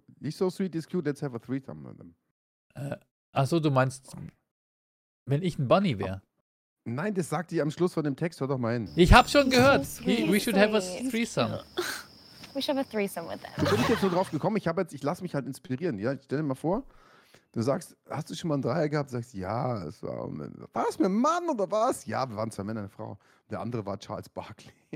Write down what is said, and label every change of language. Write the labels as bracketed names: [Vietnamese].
[English] He's so sweet, he's cute, let's have a threesome with them. [German] Achso, du meinst, wenn ich ein Bunny wäre? Nein, das sagt dir am Schluss von dem Text, hör doch mal hin. Ich hab schon gehört. [English] We should have a threesome. We should have a threesome with them. [German] Du bist jetzt nur drauf gekommen, ich lasse mich halt inspirieren. Ja? Stell dir mal vor, du sagst, hast du schon mal einen Dreier gehabt? Du sagst, ja, es war. War es mit einem Mann oder was? Ja, wir waren zwei Männer und eine Frau. Der andere war Charles Barkley.